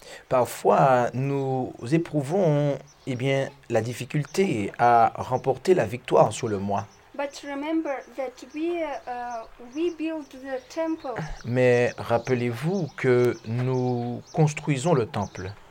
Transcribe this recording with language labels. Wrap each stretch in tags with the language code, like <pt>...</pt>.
<fr>Parfois, nous éprouvons la difficulté à remporter la victoire sur le moi.</fr> <en>But remember that we build the temple.</en> <fr>Mais rappelez-vous que nous construisons le temple.</fr>